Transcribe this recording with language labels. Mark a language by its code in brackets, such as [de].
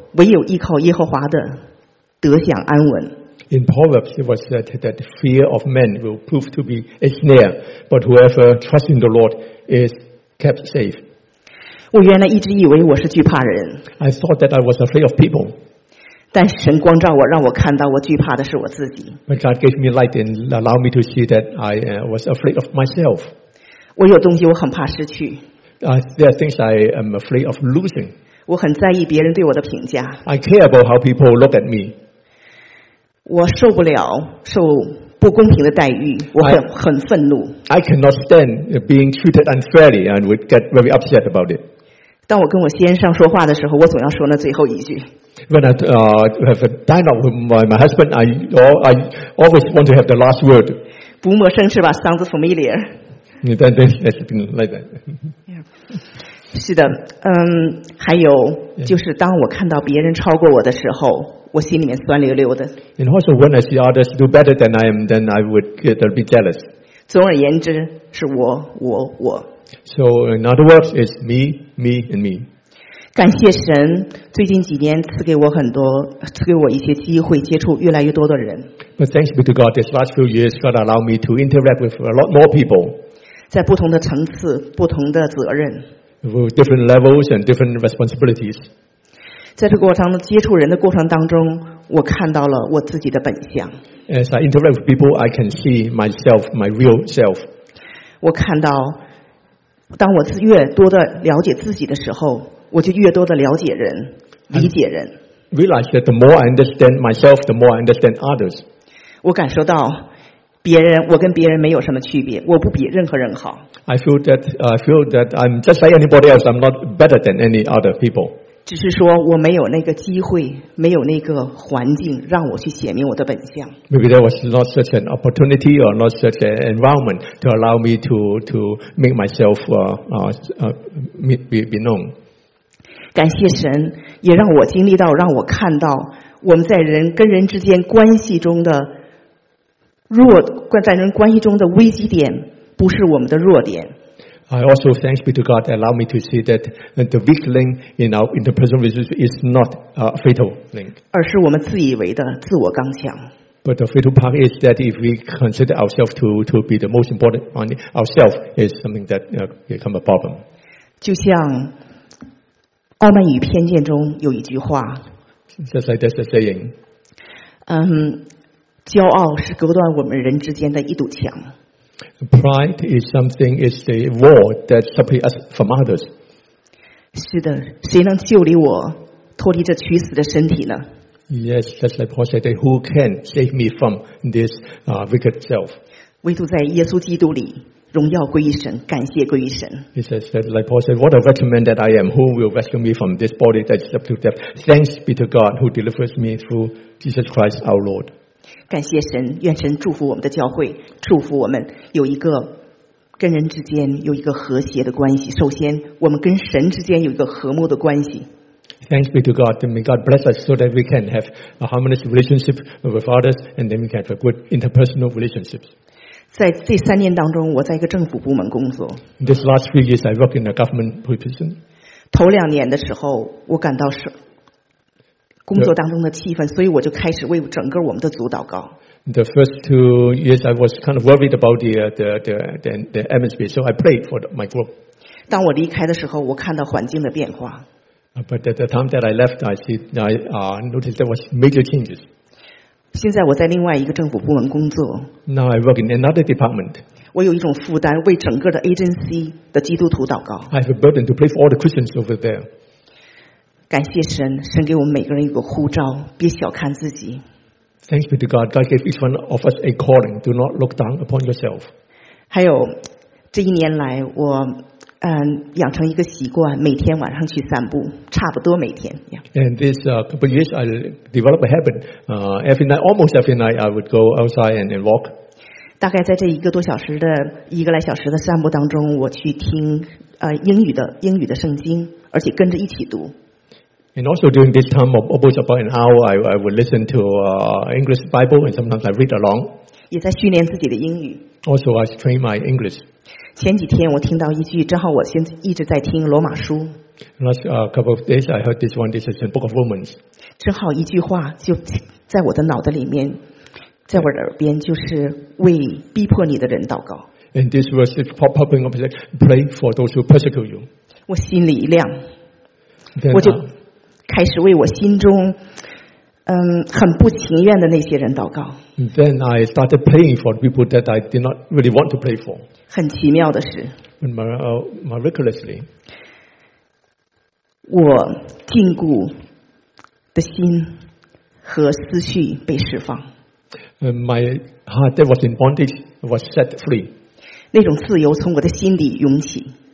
[zh] 唯有依靠耶和华的得享安稳。 [en] In Proverbs, it was said that fear of men will prove to be a snare, but whoever trusts in the Lord is kept safe. [zh] 我原来一直以为我是惧怕人。 [en] I thought that I was afraid of people. [zh] 但神光照我，让我看到我惧怕的是我自己。 [en] But God gave me light and allowed me to see that I was afraid of myself. [zh] 我有东西我很怕失去。 [en] There are things I am afraid of losing. [zh] 我很在意别人对我的评价。 [en] I care about how people look at me. [zh] 我受不了受不公平的待遇，我很愤怒。 [en] I cannot stand being treated unfairly and would get very upset about it. [zh] 当我跟我先生说话的时候，我总要说那最后一句。 [en] When I have a dialogue with my husband, I always want to have the last word. [zh] 不陌生是吧 ？ [en] Sounds familiar. That has been like that. Yeah. [zh] 是的，还有就是当我看到别人超过我的时候，我心里面酸溜溜的。 [en] And also when I see others do better than I am, then I would get a bit jealous. [zh] 总而言之，是我，我，我。 [en] So in other words, it's me, me, and me. [zh] 感谢神，最近几年赐给我一些机会，接触越来越多的人。 [en] But thanks be to God, this last few years God allowed me to interact with a lot more people. [zh] 在不同的层次，不同的责任。 [en] With different levels and different responsibilities. [zh] 在这个过程接触人的过程当中，我看到了我自己的本相。 [en] As I interact with people, I can see myself, my real self. [zh] 我看到，当我越多的了解自己的时候，我就越多的了解人，理解人。 [en] I realize that the more I understand myself, the more I understand others. [zh] 我感受到别人，我跟别人没有什么区别，我不比任何人好。 [en] I feel that I'm just like anybody else. I'm not better than any other people. [zh] 只是说我没有那个机会，没有那个环境让我去显明我的本相。 [en] Maybe there was not such an opportunity or not such an environment to allow me to make myself be known. [zh] 感谢神，也让我经历到，让我看到我们在人跟人之间关系中的弱，在人关系中的危机点不是我们的弱点。 [en] I also thanks be to God that allow me to see that the weak link in our interpersonal relationship is not a fatal link. [zh] 而是我们自以为的自我刚强。 [en] But the fatal part is that if we consider ourselves to be the most important one, ourselves is something that become a problem. [zh] 就像傲慢与偏见中有一句话。 [en] Just like that's the saying. [zh] 骄傲是隔断我们人之间的一堵墙。 [en] Pride is something, is the wall that separates us from others. [zh] 是的，谁能救离我脱离这取死的身体呢？ [en] Yes, just like Paul said, who can save me from this wicked self? [zh] 唯独在耶稣基督里，荣耀归于神，感谢归于神。 [en] He says that, like Paul said, what a wretched man that I am, who will rescue me from this body that is up to death? Thanks be to God who delivers me through Jesus Christ our Lord. [zh] 感谢神，愿神祝福我们的教会，祝福我们有一个跟人之间有一个和谐的关系。首先，我们跟神之间有一个和睦的关系。 [en] Thanks be to God, may God bless us so that we can have a harmonious relationship with others, and then we can have a good interpersonal relationship. [zh] 在这三年当中，我在一个政府部门工作。 [en] In this last 3 years, I work in a government position. [zh] 头两年的时候，我感到是。工作当中的气氛，所以我就开始为整个我们的组祷告。 [en] The first 2 years, I was kind of worried about the atmosphere, so I prayed for my group. [zh] 当我离开的时候，我看到环境的变化。 [en] But at the time that I left, I noticed there was major changes. [zh] 现在我在另外一个政府部门工作。 [en] Now I work in another department. [zh] 我有一种负担，为整个的 agency 的基督徒祷告。 [en] I have a burden to pray for all the Christians over there. [zh] 感谢神，神给我们每个人一个呼召，别小看自己。 [en] Thanks be to God, God gave each one of us a calling. Do not look down upon yourself. [zh] 还有这一年来，我养成一个习惯，每天晚上去散步，差不多每天。 [en] And this couple of years, I developed a habit. Every night, almost every night, I would go outside and walk. [zh] 大概在这一个多小时的一个来小时的散步当中，我去听英语的圣经，而且跟着一起读。 [en] And also during this time of almost about an hour, I would listen to English Bible and sometimes I read along. [zh] 也在训练自己的英语。 [en] Also, I train my English. [zh] 前几天我听到一句，正好我现在一直在听罗马书。 [en] Last couple of days, I heard this one. This is the Book of Romans. [zh] 正好一句话就在我的脑袋里面，在我的耳边，就是为逼迫你的人祷告。 [en] And this verse is popping up, pray for those who persecute you. [zh] 我心里一亮， [en] then, [zh] 我就。开始为我心中很不情愿的那些人祷告。 [en] Then I started praying for people that I did not really want to pray for. [zh] 很奇妙的是。 [en] Miraculously. [zh] 我禁锢的心和思绪被释放。 [en] My heart that was in bondage was set free. [zh] 那种自由从我的心里涌起。